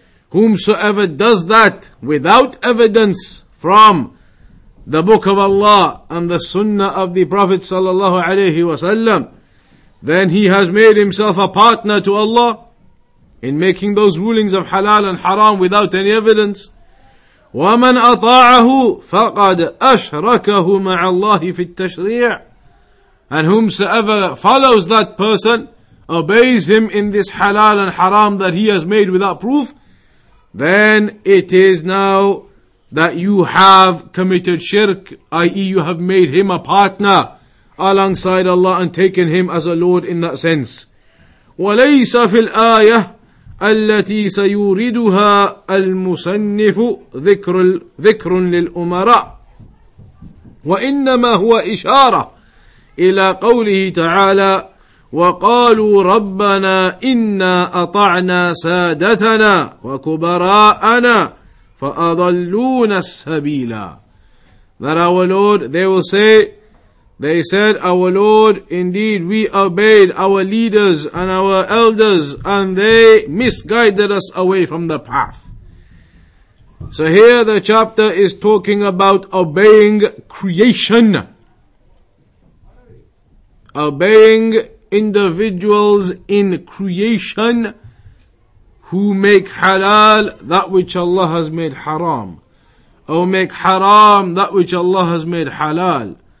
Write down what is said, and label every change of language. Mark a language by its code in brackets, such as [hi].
[en] Whomsoever does that without evidence from the Book of Allah and the Sunnah of the Prophet sallallahu alayhi wasallam, then he has made himself a partner to Allah in making those rulings of halal and haram without any evidence. [ar] وَمَنْ أَطَاعَهُ فَقَدْ أَشْرَكَهُ مَعَ اللَّهِ فِي التَّشْرِيعِ. [en] And whomsoever follows that person, obeys him in this halal and haram that he has made without proof, then it is now that you have committed shirk, i.e. you have made him a partner alongside Allah and taken him as a lord in that sense. [ar] وَلَيْسَ فِي الْآيَةِ التي سيوردها المصنف ذكر للأمراء وإنما هو إشارة إلى قوله تعالى وقالوا ربنا إنا أطعنا سادتنا وكبراءنا فأضلونا السبيلا. [en] That our Lord, they said, our Lord, indeed we obeyed our leaders and our elders and they misguided us away from the path. So here the chapter is talking about obeying creation, obeying individuals in creation who make halal that which Allah has made haram, or make haram that which Allah has made halal.